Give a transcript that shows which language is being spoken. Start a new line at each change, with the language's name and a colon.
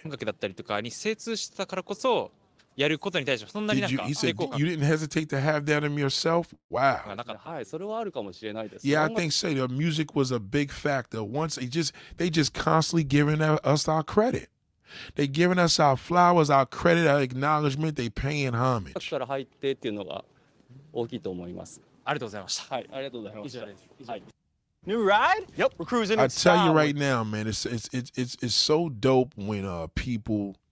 Japanese: 音楽だったりとかに精通してたからこそ。やることに対してそんなになんか
English: He said, you didn't hesitate to have that in yourself? Wow.
Japanese: はい、それはあるかもしれないです。
English: Yeah, I think so. The music was a big factor. Once they just constantly giving us our credit. They giving us our flowers, our credit, our acknowledgement. They paying homage.
Japanese: だから入ってっていうのが大きいと思います。ありがとうございました。はい、ありがとうございました。以上です。はい。
English: New ride? Yep, we're cruising. I tell you right now, man, it's so dope when people...